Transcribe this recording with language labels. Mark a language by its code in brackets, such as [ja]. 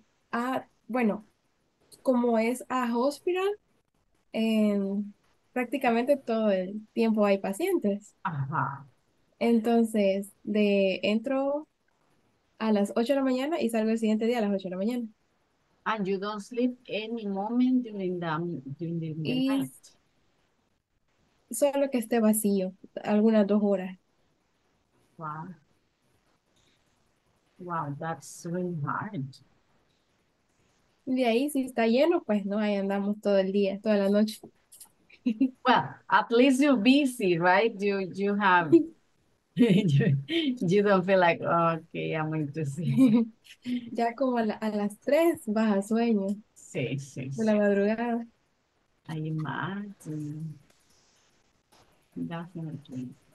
[es] Ah, bueno, como es a hospital, prácticamente todo el tiempo hay pacientes. Ajá. Entonces, entro a las 8 de la mañana y salgo el siguiente día a las 8 de la mañana. [en] And you don't sleep any moment during the night. [es] Solo que esté vacío, algunas dos horas. [en] Wow. Wow, that's really hard. [es] De ahí, si está lleno, pues no, ahí andamos todo el día, toda la noche. [en] Well, at least you're busy, right? You have, you don't feel like, oh, okay, I'm going to see. [es] Ya como a las 3, vas a sueño. Sí, sí. De la madrugada. [en] I imagine. Definitely.